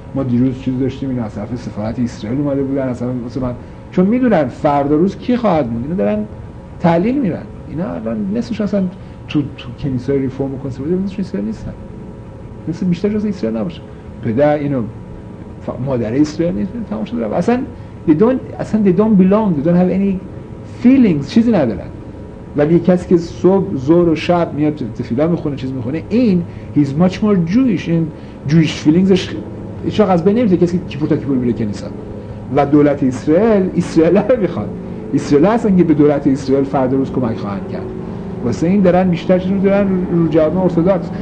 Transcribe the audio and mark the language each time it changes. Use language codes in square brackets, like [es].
[fa] ما دیروز چیز داشتیم این از طرف سفارت اسرائیل اومده بودن از طرف مثلا، چون میدونن فردا روز کی خواهد موند، اینا دارن تحلیل میرن، اینا الان نصفش اصلا تو کنیسه ریفورم و کنسرواتیو نصفش اسرائیل نیستن، نصف بیشتر جز اسرائیل نباشه، پدر اینو مادر اسرائیل نیستن، تمام شده رفت. اصلا [en] they don't belong, they don't have any feelings، [fa] چیزی ندارن. ولی یک کسی که صبح، زور و شب میاد تفیلا میخونه، چیز میخونه، این [en] he's much more Jewish، [fa] این Jewish feelingsش ایش واقع از بین نمیده، کسی که کیپور تا کیپور میره کنیسا. و دولت اسرائیل، اسرائیل رو میخواد، اسرائیل هستن که به دولت اسرائیل فردا روز کمک خواهند کرد، واسه این دارن بیشتر چیزی رو دارن رو جوامع ارتودکس.